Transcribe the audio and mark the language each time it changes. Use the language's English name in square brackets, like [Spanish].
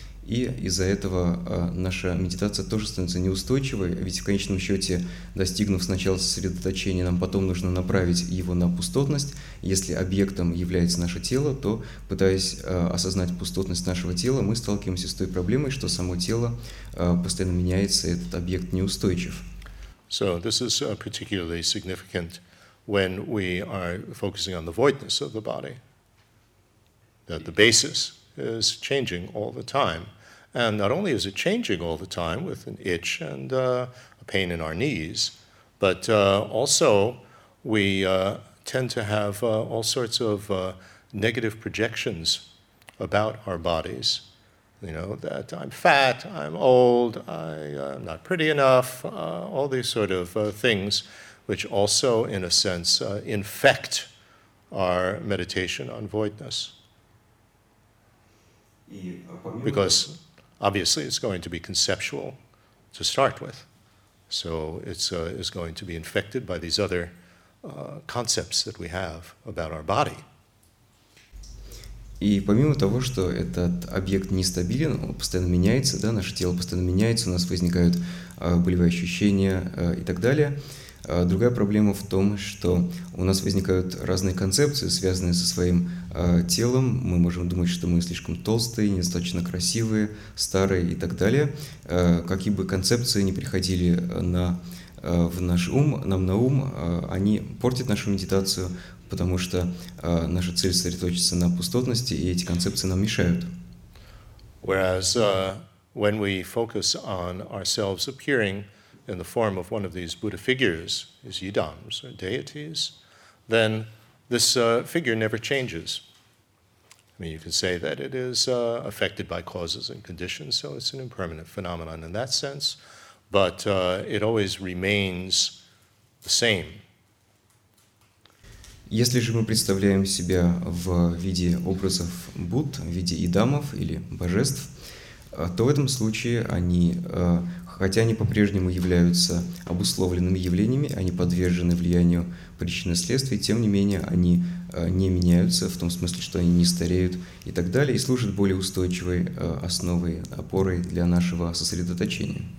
[Russian] И из-за этого наша медитация тоже становится неустойчивой, ведь в конечном счете, достигнув сначала сосредоточения, нам потом нужно направить его на пустотность. Если объектом является наше тело, то, пытаясь осознать пустотность нашего тела, мы сталкиваемся с той проблемой, что само тело постоянно меняется, и этот объект неустойчив. [English] So this is particularly significant when we are focusing on the voidness of the body, that the basis is changing all the time. And not only is it changing all the time with an itch and a pain in our knees, but also we tend to have all sorts of negative projections about our bodies. You know, that I'm fat, I'm old, I'm not pretty enough, all these sort of things, which also, in a sense, infect our meditation on voidness. Because obviously it's going to be conceptual to start with, so it's is going to be infected by these other concepts that we have about our body. [Russian] И помимо того, что этот объект нестабилен, он постоянно меняется, да, наше тело постоянно меняется, у нас возникают болевые ощущения и так далее. Другая проблема в том, что у нас возникают разные концепции, связанные со своим телом. Мы можем думать, что мы слишком толстые, недостаточно красивые, старые и так далее. Какие бы концепции ни приходили в наш ум, нам на ум, они портят нашу медитацию, потому что наша цель сосредоточится на пустотности, и эти концепции нам мешают. [English] Whereas when we focus on ourselves appearing in the form of one of these Buddha figures, these yidams, or deities, then this figure never changes. I mean, you can say that it is affected by causes and conditions, so it's an impermanent phenomenon in that sense, but it always remains the same. [Russian] Если же мы представляем себя в виде образов Будд, в виде идамов или божеств, то в этом случае они, хотя они по-прежнему являются обусловленными явлениями, они подвержены влиянию причин и следствий, тем не менее они не меняются в том смысле, что они не стареют и так далее, и служат более устойчивой основой, опорой для нашего сосредоточения.